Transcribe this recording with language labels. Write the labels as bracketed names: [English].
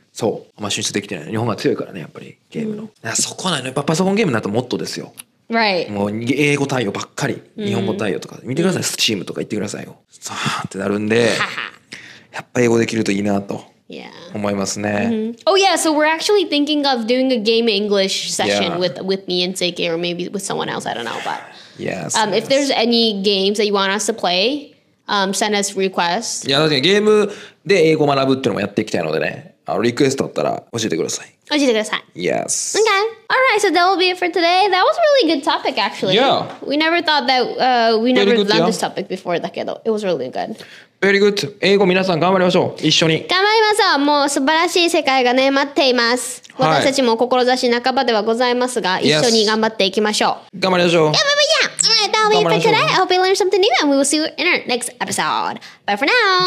[Japanese] そう、あんま進出できてない。日本が強いからね、やっぱりゲームの、そこなの、ね、パソコンゲームになるともっとですよ、 [English] right. [Japanese] もう英語対応ばっかり、日本語対応とか見てください、Steam とか言ってくださいよ、さーってなるんでやっぱ英語できるといいなと思いますね、 [English] Oh yeah, so we're actually thinking of doing a game English session、with me and Seike, or maybe with someone else, I don't know, but yes, if there's any games that you want us to playsend us requests. [Japanese] いや、確かにゲームで英語学ぶっていうのもやっていきたいのでね、リクエストあったら教えてください。教えてください。 [English] Yes. Okay. All right. So that will be it for today. That was a really good topic, actually. Yeah. We never thought that we never learned this topic before. だけど it was really good. Very good. [Japanese] 英語皆さん頑張りましょう。一緒に。頑張りましょう。もう素晴らしい世界がね待っています。はい、私たちも志半ばではございますが、一緒に頑張っていきましょう。 Yes. 頑張りましょう。 [English] Yeah, but yeah. All right. That will be it for today. I hope you learned something new, and we will see you in our next episode. Bye for now.